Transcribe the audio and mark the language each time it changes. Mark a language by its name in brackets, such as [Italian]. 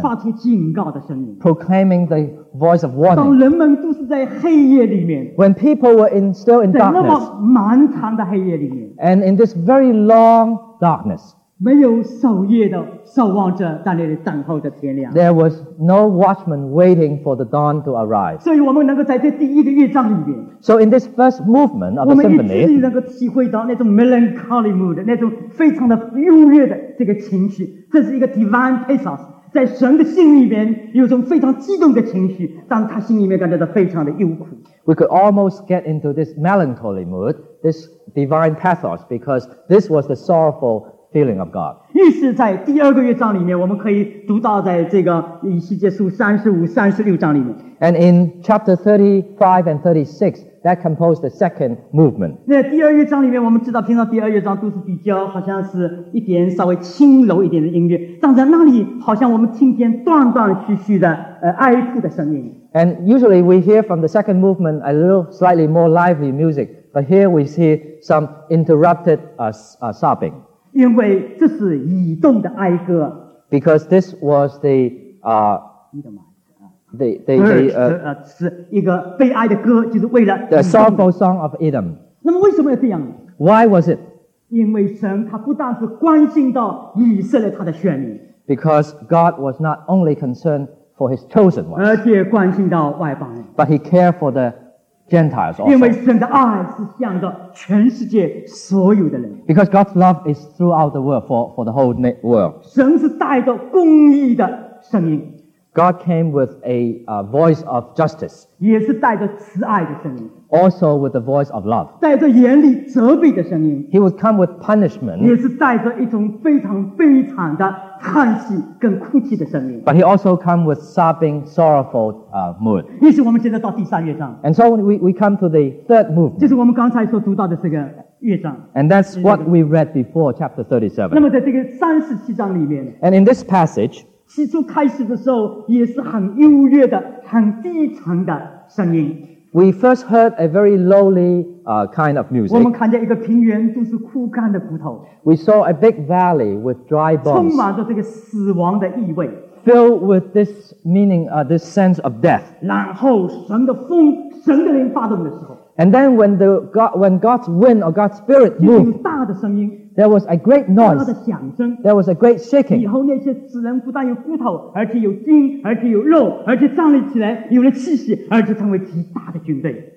[Chinese] 发出警告的声音 [English] Proclaiming the voice of warning. [Chinese] 当人们都是在黑夜里面 [English] When people were still in darkness. [Chinese] 在那么漫长的黑夜里面 [English] And in this very long darkness. [Chinese] 没有守夜的守望者在那里等候着天亮。 [English] There was no watchman waiting for the dawn to arise. [Chinese] 所以我们能够在这第一个乐章里面。 [English] So in this first movement of the symphony, [Chinese] 我们一直能够体会到那种 [English] melancholy mood, [Chinese] 那种非常的忧郁的这个情绪。这是一个 [English] divine pathos, [Chinese] 在神的心里面有种非常激动的情绪，让他心里面感觉到非常的忧苦。 [English] We could almost get into this melancholy mood, this divine pathos, because this was the sorrowful. Feeling of God. [Chinese] 于是在第二个乐章里面我们可以读到在这个以西结书三十五三十六章里面。 [English] And in chapter 35 and 36, that composed the second movement. [Chinese] 那第二乐章里面我们知道平常第二乐章都是比较好像是一点稍微轻柔一点的音乐，但在那里好像我们听见断断续续的哀哭的声音。 [English] And usually we hear from the second movement a little slightly more lively music, but here we see some interrupted sobbing. [Chinese] 因为这是移动的哀歌。 [English] Because this was the sorrowful song of Edom. [Chinese] 那么为什么要这样？ [English] Why was it? [Chinese] 因为神他不但是关心到以色列他的选民。 [English] Because God was not only concerned for His chosen ones. [Chinese] 而且关心到外邦人。 [English] But He cared for the Gentiles also. [Chinese] 因为神的爱是向着全世界所有的人。 [English] Because God's love is throughout the world for the whole world. [Chinese] 神是带着公义的声音。 [English] God came with a voice of justice. [Chinese] 也是带着慈爱的声音。 [English] Also with the voice of love. [Chinese] 带着严厉责备的声音。 [English] He would come with punishment. [Chinese] 也是带着一种非常悲惨的叹息跟哭泣的声音。 [English] But he also come with sobbing, sorrowful mood. [Chinese] 于是我们现在到第三乐章。 [English] And so we come to the third movement. [Chinese] 就是我们刚才所读到的这个乐章。 [English] And that's what we read before chapter 37. [Chinese] 那么在这个三十七章里面。 [English] And in this passage, [Chinese] 起初开始的时候也是很忧郁的很低沉的声音。 [English] We first heard a very lowly kind of music. [Chinese] 我们看见一个平原都是枯干的骨头。 [English] We saw a big valley with dry bones. [Chinese] 充满着这个死亡的意味。 [English] Filled with this meaning, this sense of death. [Chinese] 然后神的风神的灵发动的时候。 [English] And then when God's wind or God's spirit moved, [Chinese] 大的声音 [English] there was a great noise, [Chinese] 大的响声 [English] there was a great shaking. [Chinese] 以后那些死人不但有骨头，而且有筋，而且有肉，而且站立起来，有了气息，而且成为极大的军队。